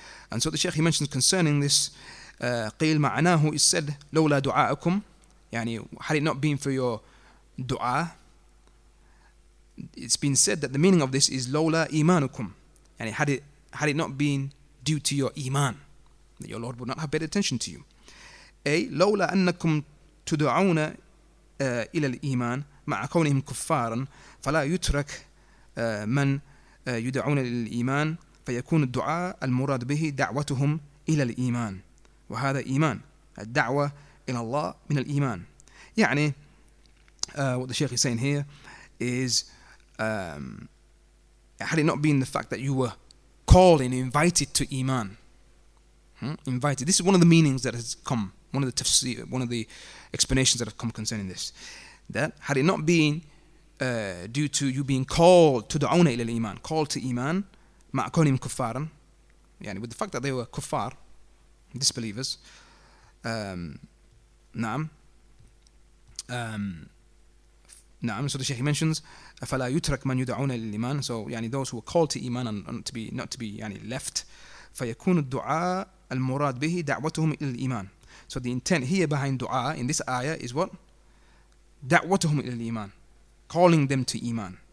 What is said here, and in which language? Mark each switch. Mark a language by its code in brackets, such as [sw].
[en] And so the Sheikh, he mentions concerning this, [ar] قيل معناه, [en] is said, [ar] لولا دعاءكم, [en] يعني had it not been for your dua, it's been said that the meaning of this is [ar] لولا إيمانكم, [en] يعني had it not been due to your iman, that your Lord would not have paid attention to you. [ar] A لولا أنكم تدعون إلى الإيمان مع كونهم كفارا فلا يترك من يدعون إلى الإيمان فيكون الدعاء المراد به دعوتهم إلى الإيمان، وهذا إيمان، الدعوة إلى الله من الإيمان. [en] يعني what the Sheikh is saying here is had it not been the fact that you were called and invited to Iman, invited, this is one of the meanings that has come, one of the tafsir, one of the explanations that have come concerning this, that had it not been due to you being called to [ar] da'una ila al-iman, [en] called to Iman, [ar] ma'akonim kuffaran, [en] yani with the fact that they were kuffar, disbelievers, نعم. So the Sheikh mentions [ar] فلا يترك من يدعون للإيمان. [en] So يعني those who are called to إيمان and not to be يعني left. [ar] فيكون الدعاء المراد به دعوتهم إلى الإيمان. [en] So the intent here behind دعاء in this ayah is what [ar] دعوتهم إلى الإيمان, [en] calling them to إيمان.